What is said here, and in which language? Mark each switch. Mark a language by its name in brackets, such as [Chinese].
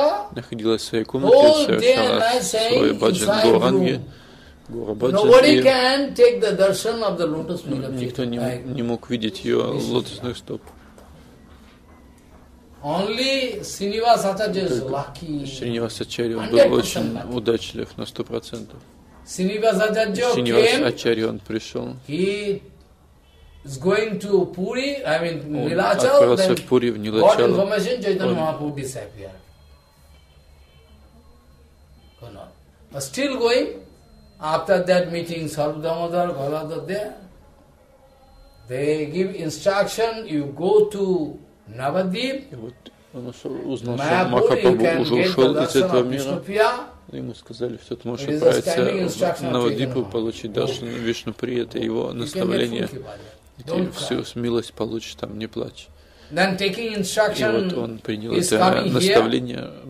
[Russian] находилась в своей комнате, совершала свой баджан Гуранги, Гура баджан. [English] Nobody can take the darshan of the lotus feet. [Russian] Никто не мог видеть ее лотосных стоп. [English] Only Srinivas Acharya is lucky. [Russian] Srinivas Acharya был очень удачлив на 100%. Srinivas Acharya, он пришел. [English] Is going to Puri, I mean Nilachal, then got information Chaitanya Mahaprabhu disappeared. But still going, after that meeting, Sarvadamadhar, Galadhar there, they give instruction, you go to Navadvip, Mahaprabhu, you can get the darshan of Vishnupriya. [Russian] Ему сказали, что ты можешь отправиться в Навадвипу, получить даршан Вишнуприя, это его наставление. И всю смелость получишь там, не плачь. [English] Then, [Russian] и вот он принял это наставление, [English] here,